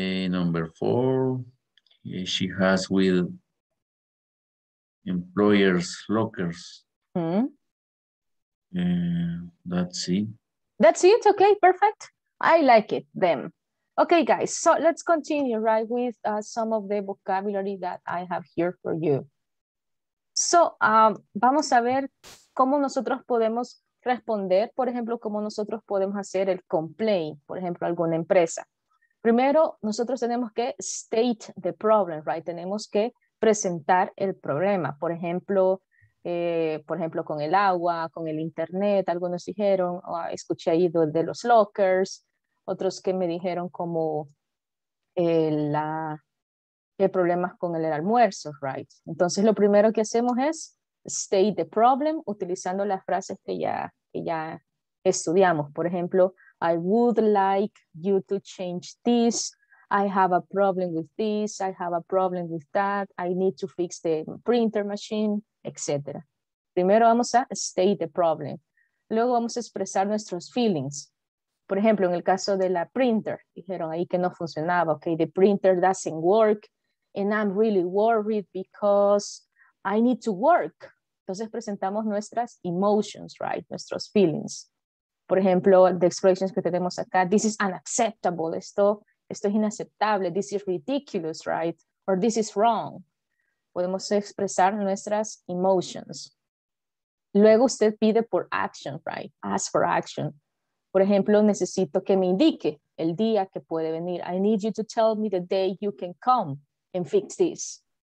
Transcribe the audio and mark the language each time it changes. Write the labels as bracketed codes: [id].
[en] Number four, she has with employers lockers. Mm-hmm. That's it. Okay, perfect. I like it then. Okay, guys, so let's continue right with some of the vocabulary that I have here for you. [es] So vamos a ver cómo nosotros podemos responder, por ejemplo, cómo nosotros podemos hacer el complaint, por ejemplo, alguna empresa. Primero, nosotros tenemos que [en] state the problem, [es] right? Tenemos que presentar el problema, por ejemplo, con el agua, con el internet, algunos dijeron, escuché ahí el de los lockers, otros que me dijeron como qué problemas con el almuerzo, right? Entonces lo primero que hacemos es [en] state the problem [es] utilizando las frases que ya estudiamos. Por ejemplo, [en] I would like you to change this, I have a problem with this, I have a problem with that, I need to fix the printer machine, etc. [es] Primero vamos a [en] state the problem. [es] Luego vamos a expresar nuestros feelings. Por ejemplo, en el caso de la printer, dijeron ahí que no funcionaba. [en] Okay, the printer doesn't work and I'm really worried because I need to work. [es] Entonces presentamos nuestras emotions, right? Nuestros feelings. Por ejemplo, [en] the expressions [es] que tenemos acá, [en] this is unacceptable. [es] Esto es inaceptable. [en] This is ridiculous, right? Or this is wrong. [es] Podemos expresar nuestras emotions. Luego usted pide por action, right? [en] Ask for action. [es] Por ejemplo, necesito que me indique el día que puede venir. [en] I need you to tell me the day you can come and fix this.